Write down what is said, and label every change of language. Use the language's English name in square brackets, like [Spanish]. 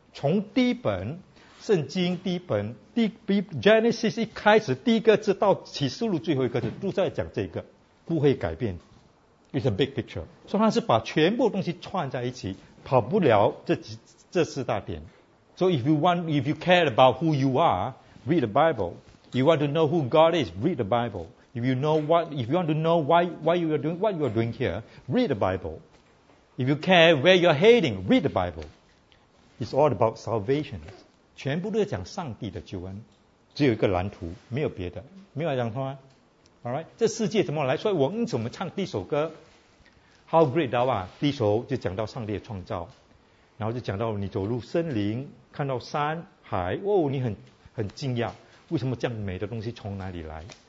[Chinese] 从第一本圣经第一本第 Genesis 一开始第一个字到启示录最后一个字，都在讲这个，不会改变。 [English] It's a big picture. [Chinese] 所以它是把全部东西串在一起，跑不了这四大点。 [English] So if you care about who you are. Read the Bible. You want to know who God is, read the Bible. If you want to know what you are doing here, read the Bible. If you care where you are heading, read the Bible. It's all about salvation. [Chinese] 全部都在讲上帝的救恩，只有一个蓝图，没有别的，没有讲什么。 [English] All right, [Chinese] 这世界怎么来？所以我因此我们唱第一首歌 ，How Great Thou Art。第一首就讲到上帝的创造，然后就讲到你走入森林，看到山海，哦，你很惊讶，为什么这样美的东西从哪里来？